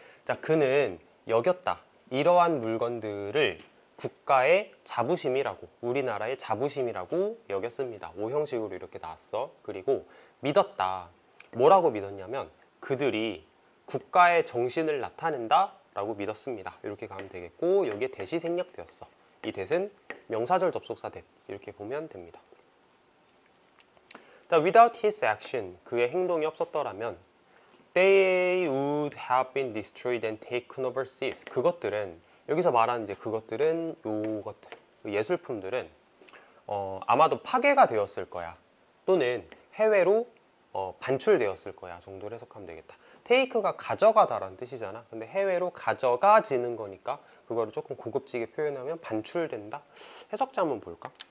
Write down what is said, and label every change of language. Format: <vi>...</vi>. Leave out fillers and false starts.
<ko>자, 그는 여겼다. 이러한 물건들을 국가의 자부심이라고, 우리나라의 자부심이라고 여겼습니다. 오형식으로 이렇게 나왔어. 그리고 믿었다. 뭐라고 믿었냐면 그들이 국가의 정신을 나타낸다라고 믿었습니다. 이렇게 가면 되겠고 여기에 that이 생략되었어. 이 that은 명사절 접속사 that 이렇게 보면 됩니다.</ko> <en>자, without his action,</en> <ko>그의 행동이 없었더라면</ko> <en>they would have been destroyed and taken overseas.</en> <ko>그것들은, 여기서 말하는 이제 그것들은, 요것들, 예술품들은 아마도 파괴가 되었을 거야. 또는 해외로 반출되었을 거야 정도로 해석하면 되겠다. take가 가져가다라는 뜻이잖아. 근데 해외로 가져가지는 거니까 그거를 조금 고급지게 표현하면 반출된다? 해석자 한번 볼까?</ko>